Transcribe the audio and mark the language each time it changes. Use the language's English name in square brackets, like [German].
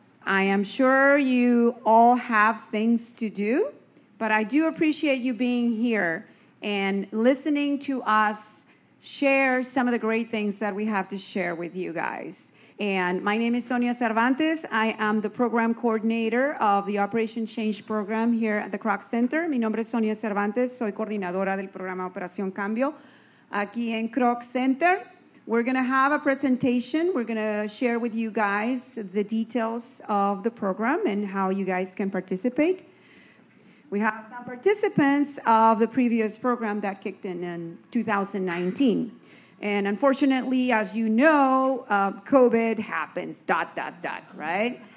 [English] I am sure you all have things to do, but I do appreciate you being here and listening to us share some of the great things that we have to share with you guys. And my name is Sonia Cervantes. I am the program coordinator of the Operation Change program here at the Kroc Center. [Spanish] Mi nombre es Sonia Cervantes. Soy coordinadora del programa Operación Cambio aquí en Kroc Center. [English] We're going to have a presentation. We're going to share with you guys the details of the program and how you guys can participate. We have some participants of the previous program that kicked in 2019. And unfortunately, as you know, COVID happens, right?